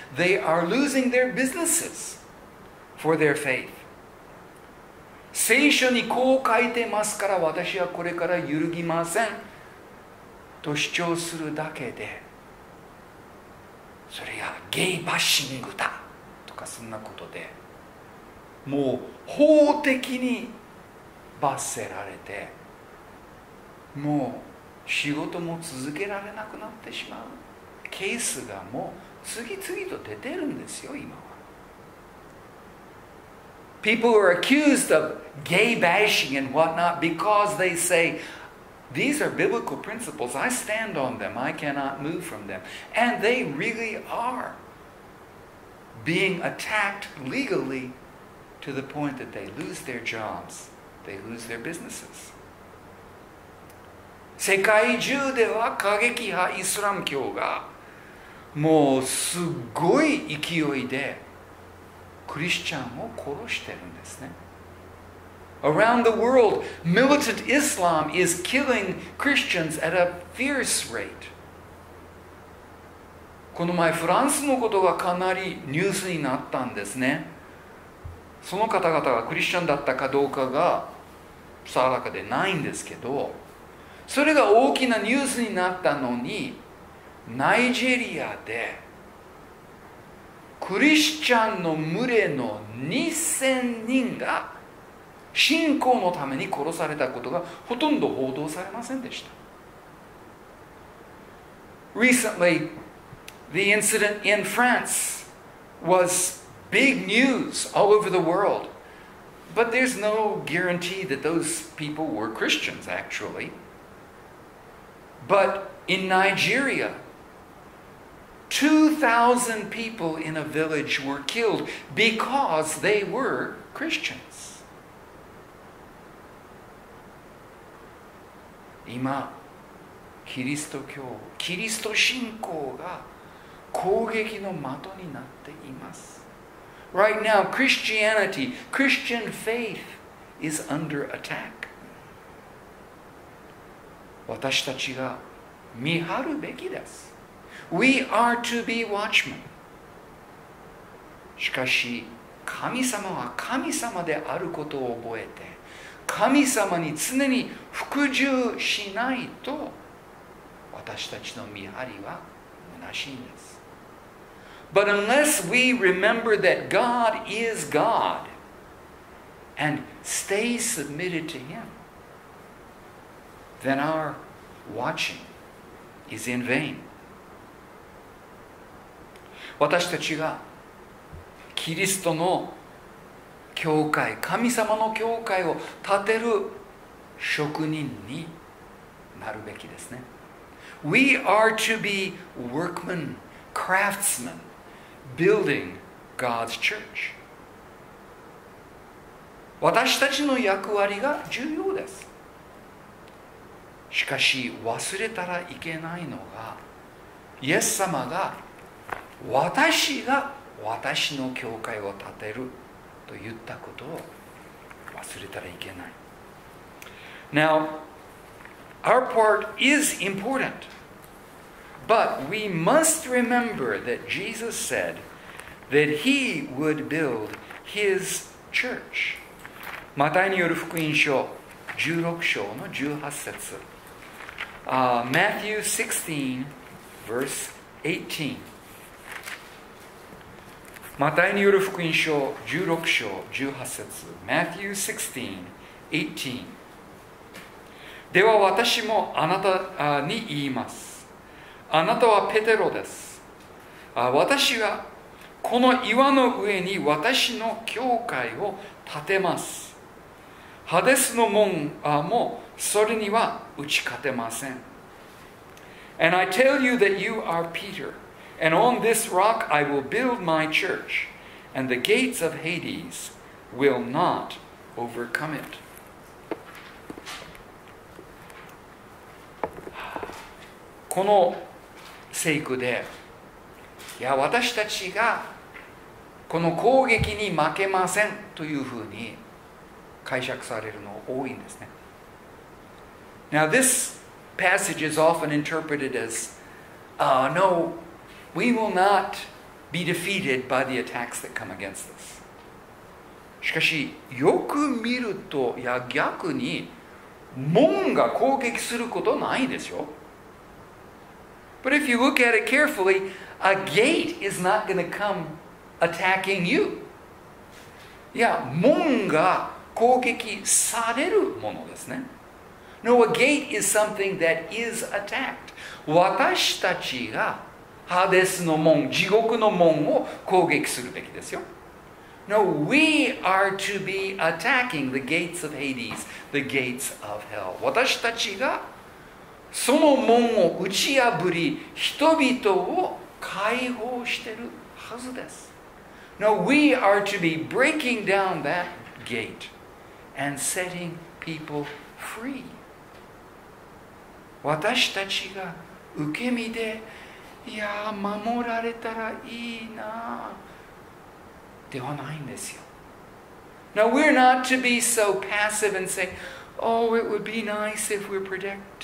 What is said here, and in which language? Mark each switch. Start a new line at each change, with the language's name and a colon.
English: They are losing their businesses for their faith.
Japanese: 聖書にこう書いてますから私はこれから揺るぎませんと主張するだけでそれがゲイバッシングだとかそんなことでもう法的に罰せられてもう仕事も続けられなくなってしまうケースがもう次々と出てるんですよ今は。
English: People are accused of gay bashing and whatnot because they say, these are biblical principles. I stand on them. I cannot move from them. And they really are being attacked legally to the point that they lose their jobs. They lose their businesses.
Japanese: 世界中では過激派イスラム教がもうすごい勢いでクリスチャンを殺してるんですね。
English: Around the world, militant Islam is killing Christians at a fierce rate.
Japanese: この前フランスのことがかなりニュースになったんですね。その方々がクリスチャンだったかどうかが定かでないんですけど、それが大きなニュースになったのに、ナイジェリアでクリスチャンの群れの2000人が信仰のために殺されたことがほとんど報道されませんでした。
English: Recently, the incident in France was big news all over the world. But there's no guarantee that those people were Christians, actually. But in Nigeria, 2,000 people in a village were killed because they were Christians.
Japanese: 今キリスト教、キリスト信仰が攻撃の的になっています。
English: Right now, Christianity, Christian faith is under attack.
Japanese: 私たちが見張るべきです。
English: We are to be watchmen.
Japanese: しかし、神様は神様であることを覚えて、神様に常に服従しないと、私たちの見張りは虚しいんです。
English: But unless we remember that God is God and stay submitted to Him, then our watching is in vain.
Japanese: 私たちがキリストの教会、神様の教会を建てる職人になるべきですね。
English: We are to be workmen, craftsmen, building God's church.
Japanese: 私たちの役割が重要です。しかし忘れたらいけないのが、イエス様が私が私の教会を建てると言ったことを忘れたらいけない。
English: Now, our part is important. But we must remember that Jesus said that he would build his church.
Japanese: マタイによる福音書16章の18節。
English: Matthew 16, verse 18.
Japanese: マタイによる福音書16章18節。
English: Matthew 16, 18.
Japanese: では私もあなたに言います。あなたはペテロです。私はこの岩の上に私の教会を建てます。ハデスの門もそれには打ち勝てません。
English: And I tell you that you are Peter, and on this rock I will build my church, and the gates of Hades will not overcome it.
Japanese: この聖句で、いや私たちがこの攻撃に負けませんというふうに解釈されるの多いんですね。
English: Now this passage is often interpreted as, no, we will not be defeated by the attacks that come against us.
Japanese: しかしよく見ると、いや逆に門が攻撃することないですよ。
English: But if you look at it carefully, a gate is not going to come attacking you.
Japanese: いや、門が攻撃されるものですね。
English: No, a gate is something that is attacked.
Japanese: 私たちがハデスの門、地獄の門を攻撃するべきですよ。
English: No, we are to be attacking the gates of Hades, the gates of hell.
Japanese: 私たちがその門を打ち破り、人々を解放してるはずです。
English: Now we are to be breaking down that gate and setting people free.
Japanese: 私たちが受け身で、いや、守られたらいいな、ではないんですよ。
English: Now we're not to be so passive and say,Oh, it would be nice if we're protected.